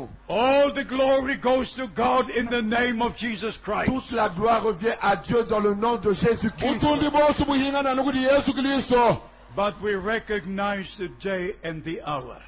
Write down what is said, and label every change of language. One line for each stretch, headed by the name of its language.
English: All the glory goes to God in the name of Jesus Christ.
French: Toute la gloire revient à Dieu dans le nom de Jésus-Christ.
English: But we recognize the day and the hour.